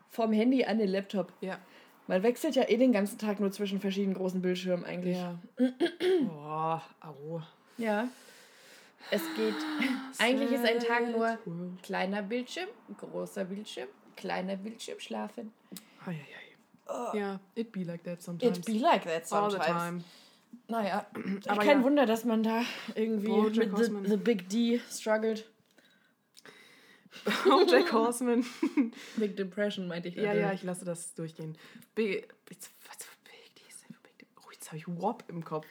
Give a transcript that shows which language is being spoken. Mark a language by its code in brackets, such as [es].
[de] Vom Handy an den Laptop. Ja. Man wechselt ja eh den ganzen Tag nur zwischen verschiedenen großen Bildschirmen eigentlich. Ja. Boah, au. Ja. Es geht. Eigentlich ist ein Tag nur kleiner Bildschirm, großer Bildschirm, kleiner Bildschirm schlafen. Eieiei. Ja, [en] yeah, it be like that sometimes. It be like that sometimes. All the time. [de] Naja, aber kein Wunder, dass man da irgendwie mit [en] the Big D [de] struggled. BoJack Horseman. Big Depression, meinte ich. Ja, ich lasse das durchgehen. Oh, jetzt habe ich WAP im Kopf.